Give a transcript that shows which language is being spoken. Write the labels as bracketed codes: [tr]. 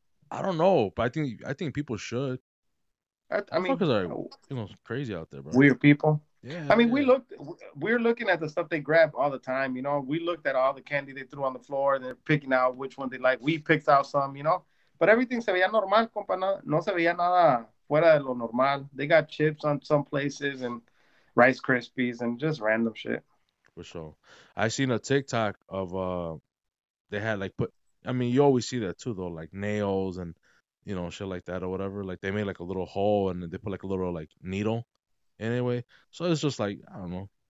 [en] I don't know, but I think people should. I mean, fuckers are you know crazy out there, bro. Weird people. Yeah, I mean, yeah. We're looking at the stuff they grab all the time, you know. We looked at all the candy they threw on the floor, and they're picking out which one they like. We picked out some, you know. But everything [es] se veía normal, compa. No se veía nada fuera de lo normal. [en] They got chips on some places and Rice Krispies and just random shit. For sure. I seen a TikTok of they had, like, put – I mean, you always see that, too, though, like nails and, you know, shit like that or whatever. Like, they made, like, a little hole, and they put, like, a little, like, needle. Anyway, so it's just like, I don't know.